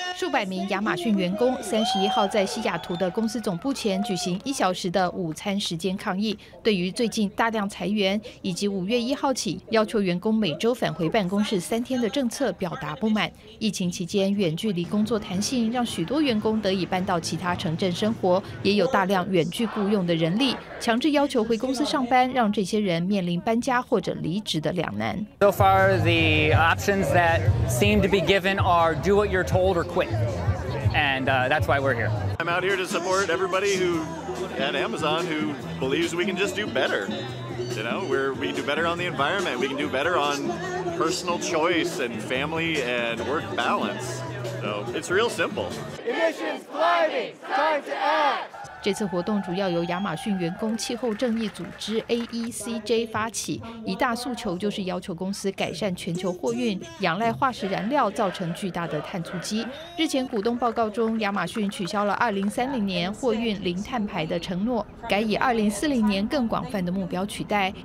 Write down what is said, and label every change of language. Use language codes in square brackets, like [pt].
[zh] 数百名亚马逊员工31号在西雅图的公司总部前举行一小时的午餐时间抗议，对于最近大量裁员以及5月1号起要求员工每周返回办公室3天的政策表达不满。疫情期间远距离工作弹性让许多员工得以搬到其他城镇生活，也有大量远距雇用的人力，强制要求回公司上班让这些人面临搬家或者离职的两难。 [en] So far, the options that seem to be given are do what you're told or quit. And that's why we're here. I'm out here to support everybody who at Amazon who believes we can just do better. You know, we do better on the environment, we can do better on personal choice and family and work balance. So it's real simple. Emissions climbing, time to act. [zh] 这次活动主要由亚马逊员工气候正义组织 AECJ 发起，一大诉求就是要求公司改善全球货运仰赖化石燃料造成巨大的碳足迹。日前股东报告中，亚马逊取消了2030年货运零碳排的承诺，改以2040年更广泛的目标取代。